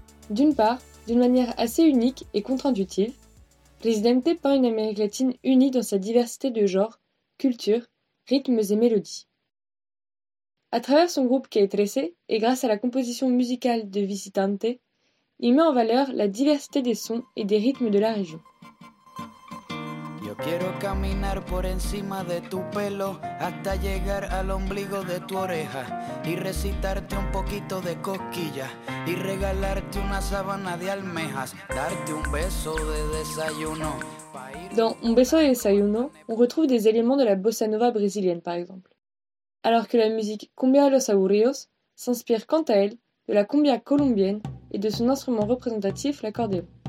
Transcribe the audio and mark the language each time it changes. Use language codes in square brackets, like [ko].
[fr] D'une part, d'une manière assez unique et contre-intuitive, Residente peint une Amérique latine unie dans sa diversité de genres, cultures, rythmes et mélodies. À travers son groupe Calle et grâce à la composition musicale de Visitante, il met en valeur la diversité des sons et des rythmes de la région. [es] Yo quiero caminar por encima de tu pelo hasta llegar al ombligo de tu oreja y recitarte un poquito de cosquillas y regalarte una sábana de almejas, darte un beso de desayuno. [fr] Dans Un beso de desayuno, on retrouve des éléments de la bossa nova brésilienne par exemple. Alors que la musique cumbia los aburridos s'inspire quant à elle de la cumbia colombienne et de son instrument représentatif, l'accordéon.